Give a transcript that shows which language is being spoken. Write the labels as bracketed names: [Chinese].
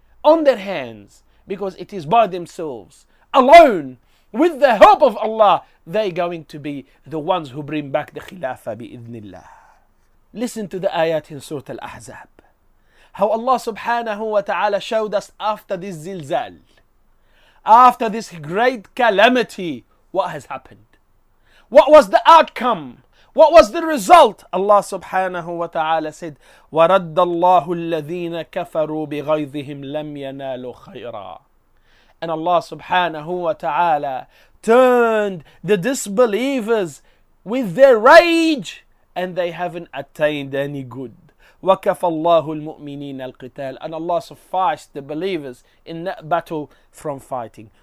[English] on their hands, because it is by themselves, alone, with the help of Allah, they going to be the ones who bring back the Khilafah bi-idhnillah. Listen to the ayat in Surah Al-Ahzab, how Allah subhanahu wa ta'ala showed us after this zilzal, after this great calamity, what has happened. What was the outcome? What was the result? Allah subhanahu wa ta'ala said, [Arabic] وَرَدَّ اللَّهُ الَّذِينَ كَفَرُوا بِغَيْظِهِمْ لَمْ يَنَالُوا خَيْرًا. [English] And Allah subhanahu wa ta'ala turned the disbelievers with their rage, and they haven't attained any good. [Arabic] وَكَفَ اللَّهُ الْمُؤْمِنِينَ الْقِتَالِ. [English] And Allah sufficed the believers in that battle from fighting.